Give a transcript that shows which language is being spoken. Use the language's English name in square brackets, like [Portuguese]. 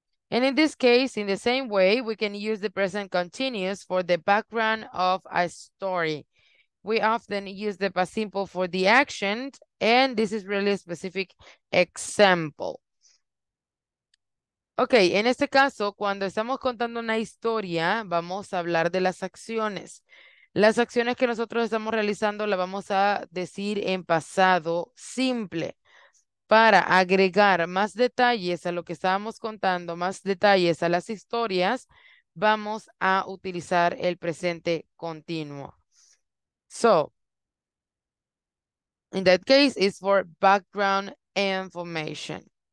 [English] And in this case, in the same way, we can use the present continuous for the background of a story. We often use the past simple for the action, and this is really a specific example. [Spanish] Okay, en este caso, cuando estamos contando una historia, vamos a hablar de las acciones. Las acciones que nosotros estamos realizando las vamos a decir en pasado simple. Para agregar más detalles a lo que estábamos contando, más detalles a las historias, vamos a utilizar el presente continuo. [English] So, in that case, it's for background information.